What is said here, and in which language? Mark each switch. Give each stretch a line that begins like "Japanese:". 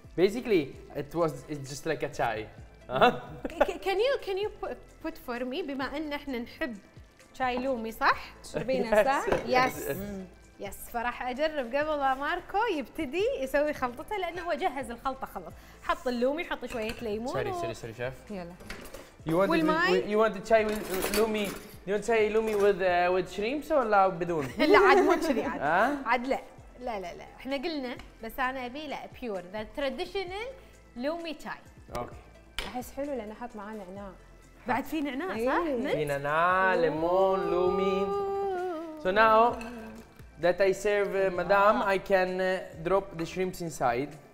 English: Basically it was it's just like a chai. can you put for me
Arabic: بما أن إحنا نحب شاي لومي صح؟ تشربينه صح؟
English: Yes.
Arabic: يس فراح اجرب قبل ما ماركو يبتدي يسوي خلطته لانه هو جهز الخلطه خلص حط اللومي حط شويه ليمون
English: sorry chef
Arabic: يلا
English: you want the chai with lumi you want chai lumi with shrimps
Arabic: ولا بدون لا عاد مو كذي عاد لا لا لا لا احنا قلنا بس انا ابي لا
English: pure the traditional لومي تشاي
Arabic: اوكي احس حلو لان حط معاه نعناع بعد في نعناع صح في نعناع ليمون لومي
English: So now That I serve, madam, I can drop the shrimps inside.